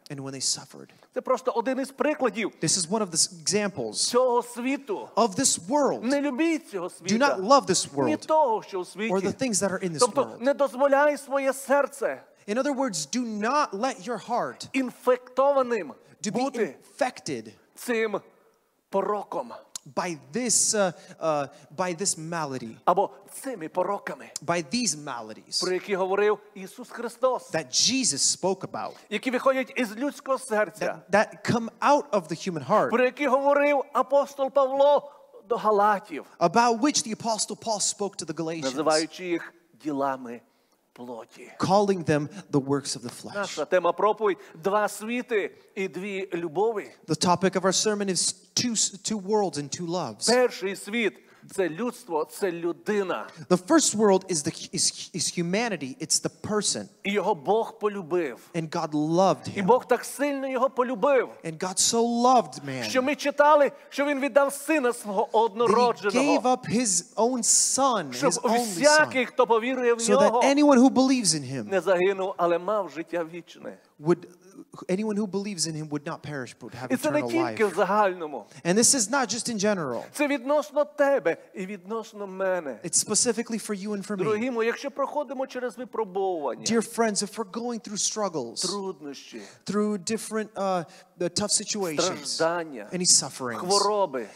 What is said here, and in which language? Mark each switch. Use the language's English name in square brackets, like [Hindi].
[English] And when they suffered. [Ukrainian] Це просто один із прикладів. [English] This is one of the examples. [Ukrainian] Цього світу. [English] Of this world. [Ukrainian] Не любіть цього світу. [English] Do not love this world. [Ukrainian] Не того, що у світі. [English] Or the things that are in this [Ukrainian] тобто, [English] world. [Ukrainian] Тобто не дозволяй своє серце. [English] In other words, do not let your heart [Ukrainian] інфектованим [English] to be [Ukrainian] бути [English] infected [Ukrainian] цим пороком. [English] By this malady, [Ukrainian] або цими пороками, [English] by these maladies, [Ukrainian] про які говорив Ісус Христос, [English] that Jesus spoke about, [Ukrainian] які виходять із людського серця, [English] that come out of the human heart, [Ukrainian] про які говорив апостол Павло до Галатів, [English] about which the apostle Paul spoke to the Galatians, [Ukrainian] називаючи їх ділами плоті, [English] calling them the works of the flesh. [Ukrainian] Наша тема проповідь два світи і дві любові. [English] The topic of our sermon is two worlds and two loves. [Ukrainian] Перший світ це людство, це людина. [English] The first world is humanity, it's the person. [Ukrainian] І його Бог полюбив. [English] And God loved him. [Ukrainian] І Бог так сильно його полюбив. [English] And God so loved man. [Ukrainian] Що ми читали, що він віддав сина свого однородженого. [English] He gave up his own son, his only son. [Ukrainian] Всякий, хто повірує в нього, [English] so that anyone who believes in him, [Ukrainian] не загинув, але мав життя вічне. [English] Anyone who believes in him would not perish but have eternal life. [Ukrainian] Загальному. [English] And this is not just in general. [Ukrainian] Це відносно тебе і відносно мене. [English] It's specifically for you and for [Ukrainian] Другі, [English] me. [Ukrainian] Якщо проходимо через випробування, [English] dear friends, if we're going through struggles, [Ukrainian] труднощі, [English] through different the tough situations, [Ukrainian] страждання, [English] any sufferings, [Ukrainian] хвороби,